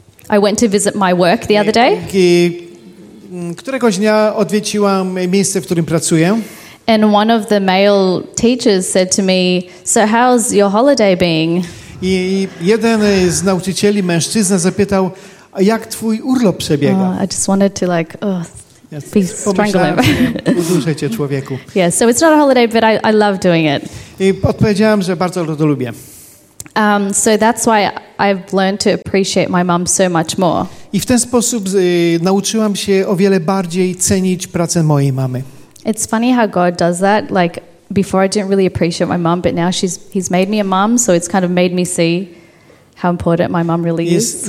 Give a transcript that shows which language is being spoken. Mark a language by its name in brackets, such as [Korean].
[English] I went to visit my work the other day. [Polish] Któregoś dnia odwiedziłam miejsce, w którym pracuję. [English] And one of the male teachers said to me, "So how's your holiday being?" [Polish] I jeden z nauczycieli, mężczyzna, zapytał, jak twój urlop przebiega? [English] Oh, I just wanted to be strangling. [Polish] Uduszajcie człowieku. [English] Yeah, so it's not a holiday, but I love doing it. [Polish] I odpowiedziałam, że bardzo to lubię. [English] So that's why I've learned to appreciate my mom so much more. [Polish] I w ten sposób nauczyłam się o wiele bardziej cenić pracę mojej mamy. [English] It's funny how God does that. Like before, I didn't really appreciate my mom, but now He's made me a mom, so it's kind of made me see how important my mom really is.